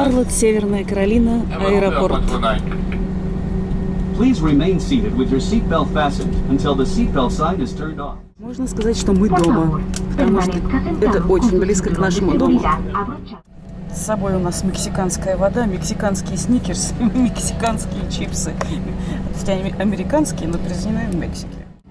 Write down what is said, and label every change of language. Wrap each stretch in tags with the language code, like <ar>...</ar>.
<ru>Северная Каролина, аэропорт.</ru> <en>Please remain seated with your seat belt fastened until the seat belt sign is turned off.</en> <ru>Можно сказать, что мы дома, потому что это очень близко к нашему дому. С собой у нас мексиканская вода, мексиканские сникерсы, мексиканские чипсы. Хотя они американские, но произведены в Мексике.</ru>